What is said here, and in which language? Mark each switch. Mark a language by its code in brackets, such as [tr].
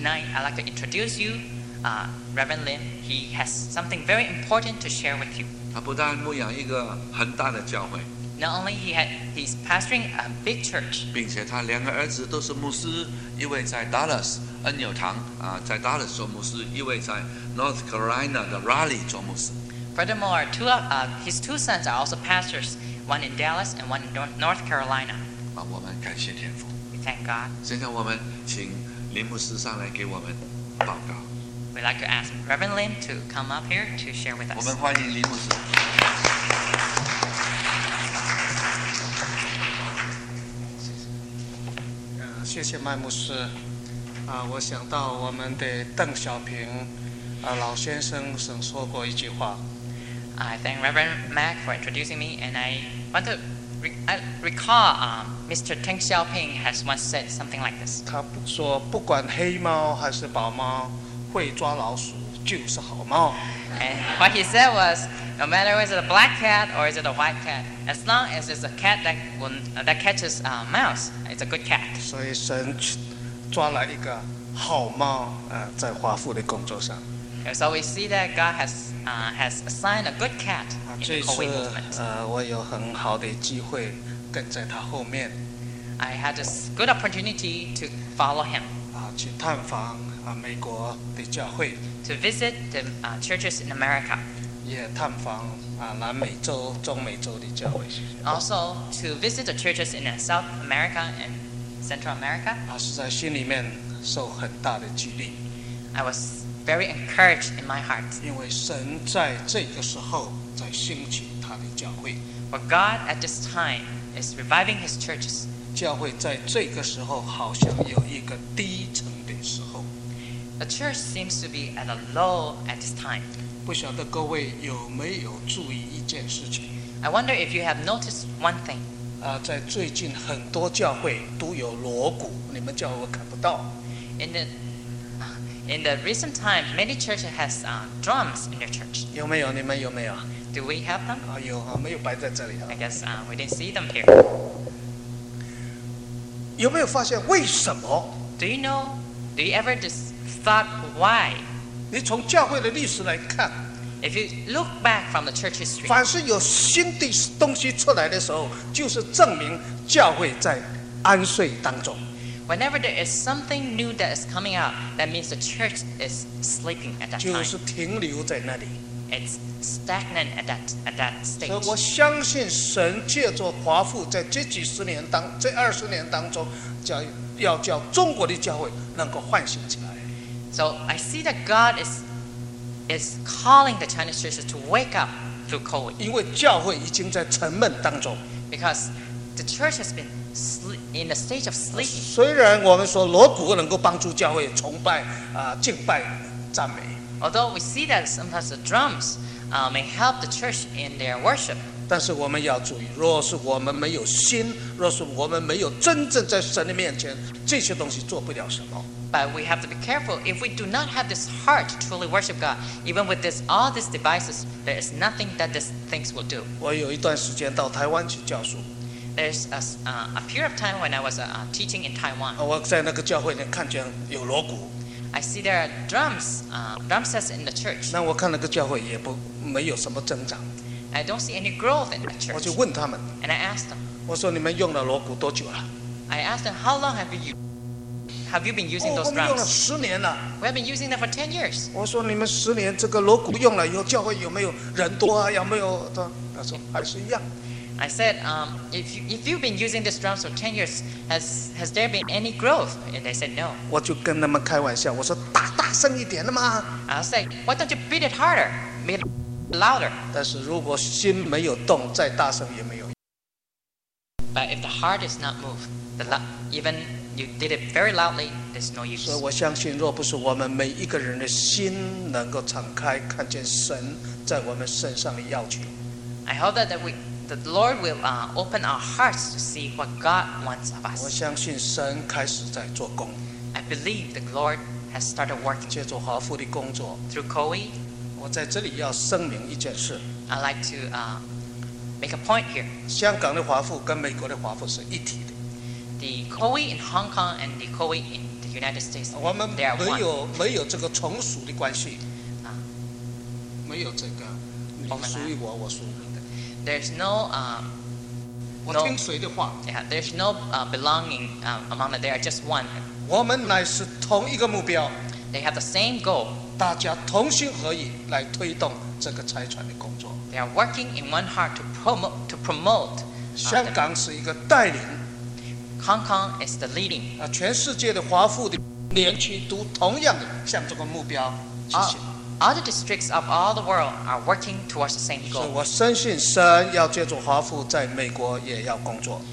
[en] Tonight, I'd like to introduce you, Reverend Lin. He has something very important to share with you. [zh] 他不但牧养一个很大的教会。 [en] Not only he's pastoring a big church. [zh] 并且他两个儿子都是牧师，一位在 Dallas。恩纽堂在 Dallas 做牧师，一位在 North Carolina 的 Raleigh 做牧师。 [en] Furthermore, his two sons are also pastors, one in Dallas and one in North Carolina. [zh] 我们感谢天父。 [en] We thank God. [zh] 现在我们请林牧师上来给我们报告。 [en] We'd like to ask Reverend Lin to come up here to share with us. [zh] 我们欢迎林牧师。谢谢麦牧师。我想到我们的邓小平老先生曾说过一句话。 [en] I thank Reverend Mac for introducing me, and I want to recall Mr. Deng Xiaoping has once said something like this. [zh] 他说不管黑猫还是白猫，会抓老鼠就是好猫。 [en] And what he said was, no matter whether it's a black cat or is it a white cat, as long as it's a cat that catches a mouse, it's a good cat. [zh] 所以神抓了一个好猫，在华富的工作上。 [en] So we see that God has assigned a good cat in the Kowei movement. [zh] 这次我有很好的机会跟在他后面。 [en] I had a good opportunity to follow him. [zh] 去探访美国的教会。 [en] To visit the churches in America. [zh] 也探访南美洲、中美洲的教会。 [en] Also to visit the churches in South America and Central America. [zh] 是在心里面受很大的激励。 [en] I was very encouraged in my heart. [zh] 因为神在这个时候在兴起他的教会。 [en] But God at this time is reviving His churches. [zh] 教会在这个时候好像有一个低层的时候。 [en] The church seems to be at a low at this time. [zh] 不晓得各位有没有注意一件事情。 [en] I wonder if you have noticed one thing. [zh] 在最近很多教会都有锣鼓，你们教会看不到。 [en] In the recent time, many churches has drums in their church. [zh] 有没有？你们有没有 [en] ？Do we have them? [zh] 有啊，没有摆在这里啊。 [en] I guess we didn't see them here. [zh] 有没有发现为什么 [en] ？Do you know? Do you ever just thought why? [zh] 你从教会的历史来看。 [en] If you look back from the church history, [zh] 凡是有新的东西出来的时候，就是证明教会在安睡当中。 [en] Whenever there is something new that is coming out, that means the church is sleeping at that time. [zh] 就是停留在那里。 [en] It's stagnant at that stage. [zh] 所以我相信神借着华富在这几十年当这二十年当中，要叫中国的教会能够唤醒起来。 [en] So I see that God is calling the Chinese churches to wake up through COVID. [zh] 因为教会已经在沉闷当中。 [en] Because the church has been in a stage of sleep. [zh] 虽然我们说锣鼓能够帮助教会崇拜、敬拜、赞美。 [en] Although we see that sometimes the drums may help the church in their worship. [zh] 但是我们要注意，若是我们没有心，若是我们没有真正在神的面前，这些东西做不了什么。 [en] But we have to be careful. If we do not have this heart to truly worship God, even with this, all these devices, there is nothing that these things will do. [zh] 我有一段时间到台湾去教书。 [en] There's a period of time when I was teaching in Taiwan. [zh] 我在那个教会里看见有锣鼓。 [en] I see there are drums, drum sets in the church. [zh] 那我看那个教会也不没有什么增长。 [en] I don't see any growth in that church. [zh] 我就问他们。 [en] And I asked them. [zh] 我说你们用了锣鼓多久了？ [en] I asked them how long have you been using those drums? [zh] 我们用了十年了。 [en] We have been using them for 10 years. [zh] 我说你们十年这个锣鼓用了以后，教会有没有人多啊？有没有？他说还是一样。 [en] I said, if you've been using this drums for 10 years, has there been any growth? And they said, no. [zh] 我就跟他们开玩笑，我说打大声一点的嘛。 [en] I said, why don't you beat it harder, beat it louder? [zh] 但是如果心没有动，再大声也没有。 [en] But if the heart is not moved, even you did it very loudly, there's no use. [zh] 所以我相信，若不是我们每一个人的心能够敞开，看见神在我们身上的要求。 [en] I hope that the Lord will open our hearts to see what God wants of us. [zh] 我相信神开始在做工。 [en] I believe the Lord has started working. [zh] 借助华富的工作。 [en] Through COE. [zh] 我在这里要声明一件事。 [en] I'd like to make a point here. [zh] 香港的华富跟美国的华富是一体的。 [en] The COE in Hong Kong and the COE in the United States, they are one. [zh] 我们没有这个从属的关系。没有这个，你属于我，我属于你。 [en] There's no, [zh] 我听谁的话 [en] yeah, there's no belonging among them. They are just one. [zh] 我们乃是同一个目标。 [en] They have the same goal. [zh] 大家同心合意来推动这个财团的工作。 [en] They are working in one heart to promote. [zh] 香港是一个带领。 [en] Hong Kong is the leading. [zh] 全世界的华富的年轻都同样的向这个目标进行。 [en] Other districts of all the world are working towards the same goal. [zh] 我深信神要借助华富在美国也要工作。